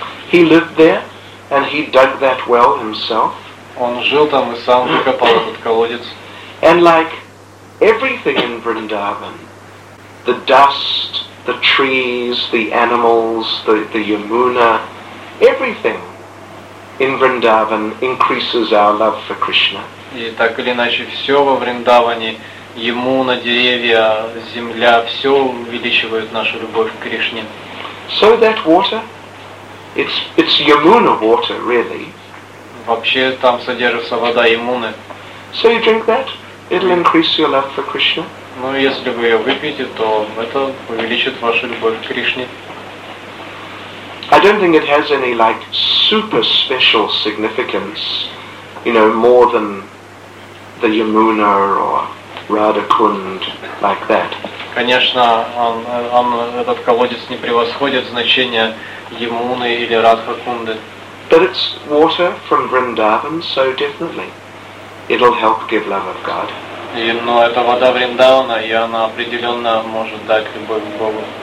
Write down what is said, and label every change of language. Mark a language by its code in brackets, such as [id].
[en] He lived there, and he dug that well himself. [ru] Он жил там и сам выкопал этот колодец. [en] And like everything in Vrindavan, the dust, the trees, the animals, the Yamuna, everything in Vrindavan increases our love for Krishna. [ru] И так или иначе, все во Вриндаване, Ямуна, деревья, земля, все увеличивает нашу любовь к Кришне. [en] So that water, it's Yamuna water, really. [ru] Вообще там содержится вода Ямуны. [en] So you drink that, it'll increase your love for Krishna. [ru] Ну, если вы ее выпьете, то это увеличит вашу любовь к Кришне. [en] I don't think it has any like super special significance, you know, more than the Yamuna or Radha Kund, like that. [ru] Конечно, он этот колодец не превосходит значение Ямуны или Радха Кунды. [en] But it's water from Vrindavan, so definitely it'll help give love of God. [ru] Но это вода Вриндавана, и она определенно может дать любовь к Богу.